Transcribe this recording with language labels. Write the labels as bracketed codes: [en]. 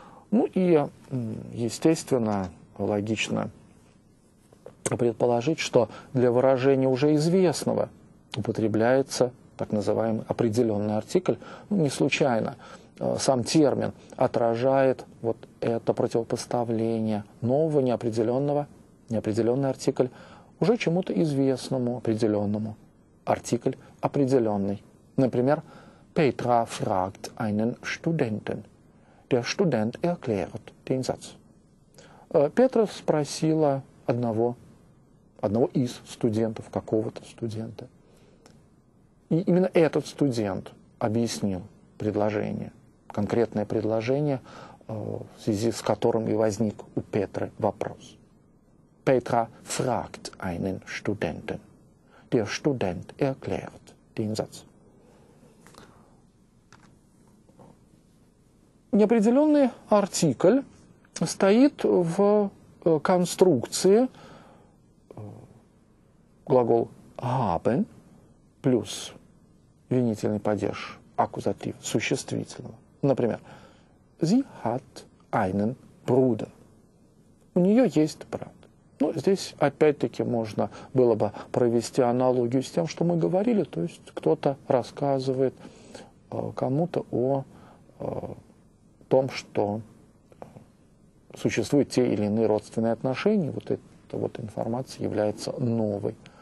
[ru] Ну и, естественно, логично предположить, что для выражения уже известного употребляется так называемый определенный артикль. Ну, не случайно сам термин отражает вот это противопоставление нового, неопределенного, неопределенный артикль уже чему-то известному, определенному. Артикль определенный. Например, [de] Petra fragt einen Studenten. Der Student erklärt den Satz. [ru] Петра спросила одного из студентов, какого-то студента. И именно этот студент объяснил предложение, конкретное предложение, в связи с которым и возник у Петра вопрос. [de] Петра fragt einen Studenten. Der Student erklärt реинициации. [ru] Неопределенный артикль стоит в конструкции глагол haben плюс винительный падеж аккузатив существительного. Например, [de] sie hat einen Bruder. [ru] У нее есть брат. Ну, здесь опять-таки можно было бы провести аналогию с тем, что мы говорили, то есть кто-то рассказывает кому-то о том, что существуют те или иные родственные отношения, вот эта вот информация является новой.